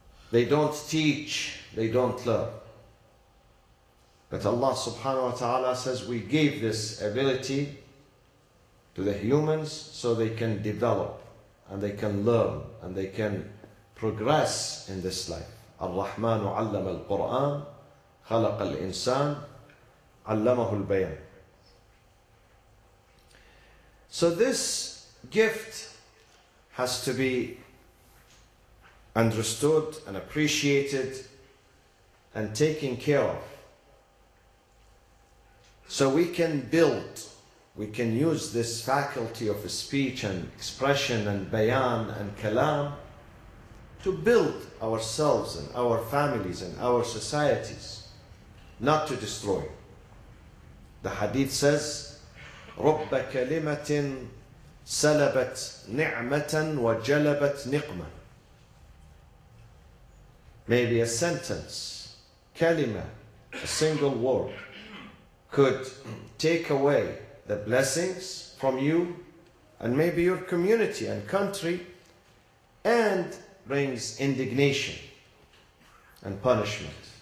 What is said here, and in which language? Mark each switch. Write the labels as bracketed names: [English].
[English] They don't teach. They don't learn. But Allah subhanahu wa ta'ala says we gave this ability to the humans so they can develop and they can learn and they can progress in this life. [Arabic] Ar-Rahmanu 'allama al-Qur'an. خلق الإنسان علمه البيان. [English] So this gift has to be understood and appreciated and taken care of. So we can build, we can use this faculty of speech and expression and bayan and kalam to build ourselves and our families and our societies. Not to destroy. The hadith says, [Arabic] رُبَّ كَلِمَةٍ سَلَبَتْ نِعْمَةً وَجَلَبَتْ نِقْمَةً. [English] Maybe a sentence, kalima, a single word, could take away the blessings from you and maybe your community and country and brings indignation and punishment.